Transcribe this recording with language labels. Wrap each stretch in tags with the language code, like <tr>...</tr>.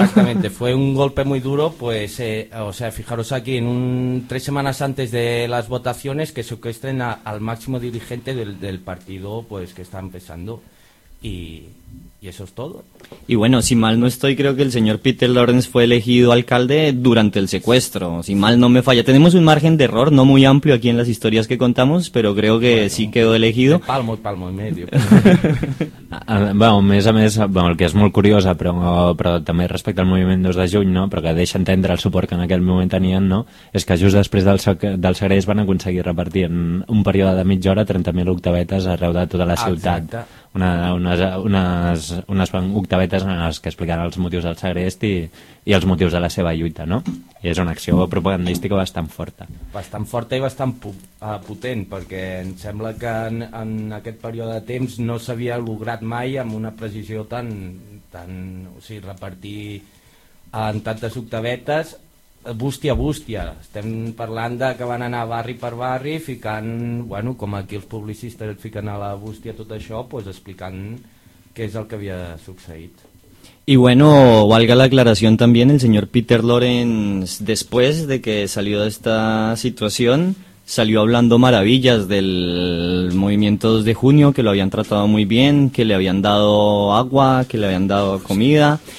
<es>Exactamente, fue un golpe muy duro, pues, o sea, fijaros aquí, en 3 semanas antes de las votaciones, que secuestren al máximo dirigente del partido, pues, que está empezando. Y eso es todo. Y bueno, si mal no estoy, creo que el señor Peter Lawrence fue elegido alcalde durante el secuestro. Si mal no me falla. Tenemos un margen de error no muy amplio aquí en las historias que contamos, pero creo que bueno, sí quedó elegido. Palmo y medio.</es> <ca>Bueno, més a més, bueno, el que és molt curiós, però també respecte al moviment 2 de juny, no? Però que deixa entendre el suport que en aquell moment tenien, no? És que just després del segrest van aconseguir repartir en un període de mitja hora 30.000 octavetes arreu de tota la ciutat. Exacte. Unes octavetes en les que explicaran els motius del segrest i els motius de la seva lluita, no? I és una acció propagandística bastant forta. Bastant forta i bastant potent, perquè em sembla que en aquest període de temps no s'havia lograt mai amb una precisió tan... O sigui, repartir en tantes octavetes, bústia a bústia. Estem parlant de que van anar barri per barri ficant, bueno, com aquí els publicistes et fiquen a la bústia tot això, pues explicant què és el que havia succeït.</ca> <es>Y bueno, valga la aclaración también, el señor Peter Lawrence, después de que salió de esta situación, salió hablando maravillas del movimiento 2 de junio, que lo habían tratado muy bien, que le habían dado agua, que le habían dado comida.</es>